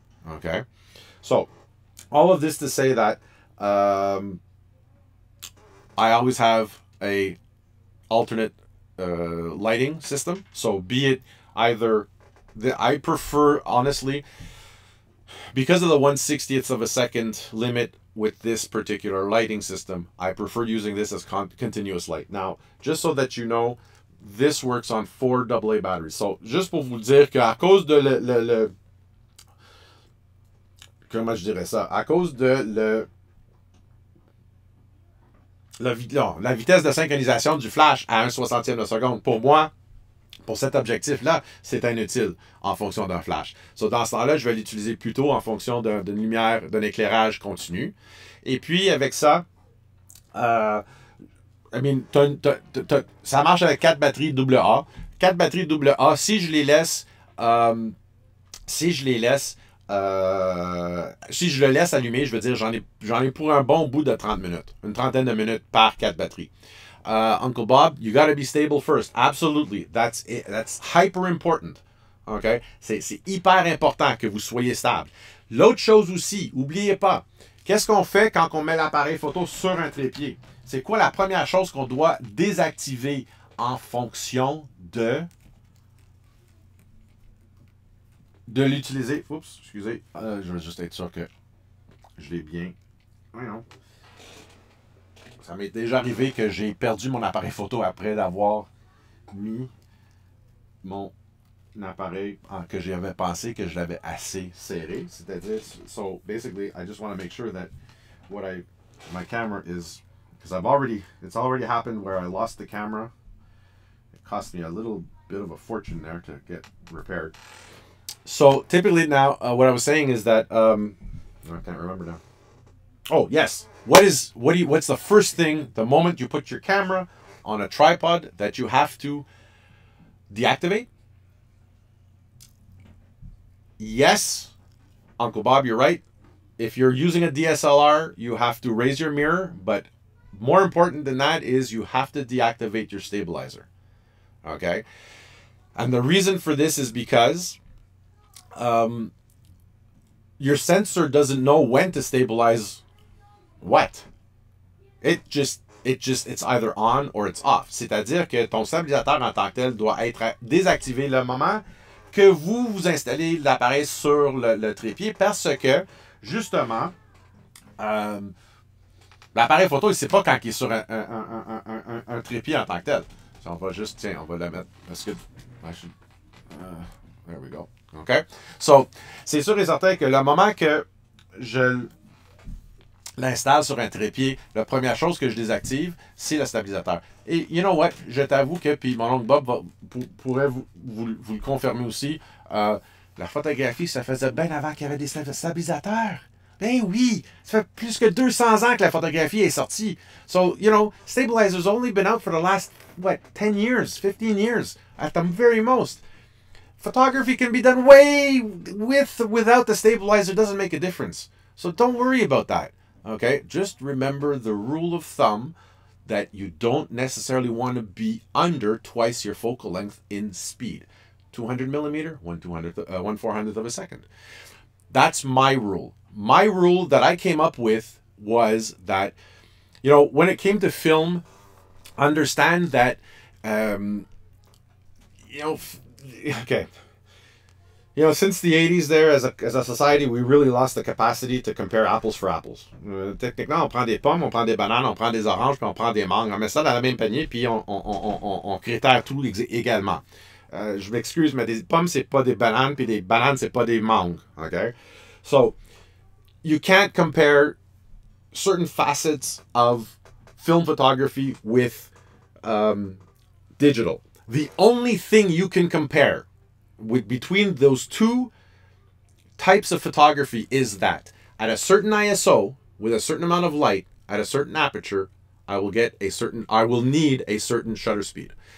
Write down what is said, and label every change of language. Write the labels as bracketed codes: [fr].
[en] Okay, so all of this to say that I always have a alternate lighting system, so be it either. I prefer, honestly, because of the 1/60th of a second limit with this particular lighting system, I prefer using this as continuous light. Now, just so that you know, this works on four AA batteries. [fr] So, just pour vous dire qu'à cause de le comment je dirais ça, à cause de la vitesse de synchronisation du flash à 1/60 de seconde, pour moi, pour cet objectif-là, c'est inutile en fonction d'un flash. So, dans ce temps-là, je vais l'utiliser plutôt en fonction d'une lumière, d'un éclairage continu. Et puis, avec ça, ça marche avec 4 batteries AA. 4 batteries AA, si je le laisse allumer, je veux dire, j'en ai pour un bon bout de 30 minutes. Une trentaine de minutes par 4 batteries. Uncle Bob, you got to be stable first. Absolutely. That's it. That's hyper important. Okay? C'est hyper important que vous soyez stable. L'autre chose aussi, n'oubliez pas, qu'est-ce qu'on fait quand on met l'appareil photo sur un trépied? C'est quoi la première chose qu'on doit désactiver en fonction de l'utiliser? Oups, excusez. Je vais juste être sûr que je l'ai bien. Voyons. Ça m'est déjà arrivé que j'ai perdu mon appareil photo après d'avoir mis mon appareil que j'avais pensé que je l'avais assez serré. C'est-à-dire, [en] so basically, I just want to make sure that my camera is, because it's already happened where I lost the camera. It cost me a little bit of a fortune there to get repaired. So typically now, what I was saying is that, I can't remember now. Oh, yes. What's the first thing, the moment you put your camera on a tripod, that you have to deactivate? Yes, Uncle Bob, you're right. If you're using a DSLR, you have to raise your mirror. But more important than that is you have to deactivate your stabilizer. Okay? And the reason for this is because your sensor doesn't know when to stabilize what? It's either on or it's off. [fr] C'est-à-dire que ton stabilisateur en tant que tel doit être désactivé le moment que vous installez l'appareil sur le trépied parce que, justement, l'appareil photo, il ne sait pas quand il est sur un trépied en tant que tel. So on va juste, tiens, on va le mettre. [en] That's good. There we go. OK? [fr] So, c'est sûr et certain que le moment que je l'installe sur un trépied, la première chose que je désactive, c'est le stabilisateur. Et [en] you know what, [fr] je t'avoue que, puis mon oncle Bob pourrait vous le confirmer aussi, la photographie, ça faisait bien avant qu'il y avait des stabilisateurs. Ben oui, ça fait plus que 200 ans que la photographie est sortie. [en] So, you know, stabilizers only been out for the last, 10 years, 15 years, at the very most. Photography can be done way without the stabilizer, doesn't make a difference. So don't worry about that. Okay, just remember the rule of thumb that you don't necessarily want to be under twice your focal length in speed. 200 millimeter, 1/400th of a second. That's my rule. My rule that I came up with was that, you know, when it came to film, understand that, you know, since the 80s there, as a society, we really lost the capacity to compare apples for apples. [fr] Techniquement, on prend des pommes, on prend des bananes, on prend des oranges, puis on prend des mangues. On met ça dans le même panier, puis on critère tout également. Je m'excuse, mais des pommes, c'est pas des bananes, puis des bananes, c'est pas des mangues. [en] Okay? So, you can't compare certain facets of film photography with digital. The only thing you can compare between those two types of photography is that at a certain ISO with a certain amount of light at a certain aperture, I will need a certain shutter speed.